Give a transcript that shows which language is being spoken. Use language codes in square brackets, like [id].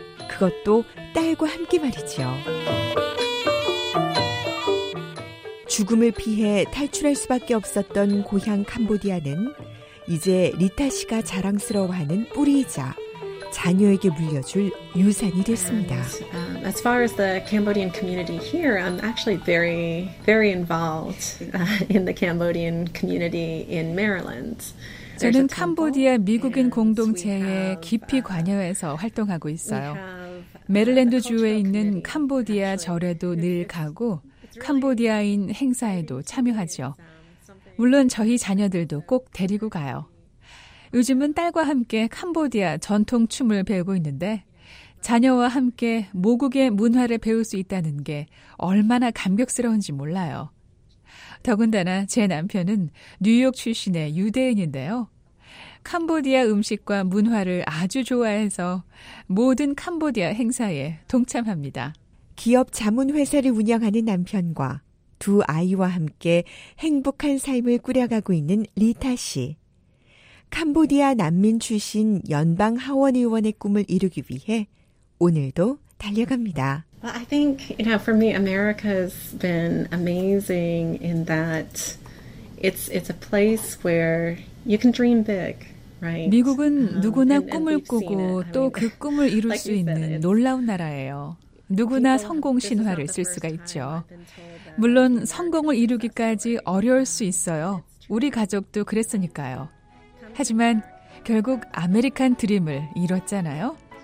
[ko] 그것도 딸과 함께 말이죠. 죽음을 피해 탈출할 수밖에 없었던 고향 캄보디아는 이제 리타 씨가 자랑스러워하는 뿌리이자 자녀에게 물려줄 유산이 됐습니다. [en] As far as the Cambodian community here, I'm actually very, very involved in the Cambodian community in Maryland. [ko] 저는 캄보디아 미국인 공동체에 깊이 관여해서 활동하고 있어요. 메릴랜드 주에 있는 캄보디아 절에도 늘 가고 캄보디아인 행사에도 참여하죠. 물론 저희 자녀들도 꼭 데리고 가요. 요즘은 딸과 함께 캄보디아 전통 춤을 배우고 있는데 자녀와 함께 모국의 문화를 배울 수 있다는 게 얼마나 감격스러운지 몰라요. 더군다나 제 남편은 뉴욕 출신의 유대인인데요. 캄보디아 음식과 문화를 아주 좋아해서 모든 캄보디아 행사에 동참합니다. 기업 자문회사를 운영하는 남편과 두 아이와 함께 행복한 삶을 꾸려가고 있는 리타 씨. 캄보디아 난민 출신 연방 하원 의원의 꿈을 이루기 위해 오늘도 달려갑니다. [en] Well, I think, you know, for me, America's been amazing in that it's a place where you can dream big. [ko] 미국은 누구나 꿈을 꾸고 또 그 꿈을 이룰 수 있는 놀라운 나라예요. 누구나 성공 신화를 쓸 수가 있죠. 물론 성공을 이루기까지 어려울 수 있어요. 우리 가족도 그랬으니까요. 하지만 결국 아메리칸 드림을 이뤘잖아요.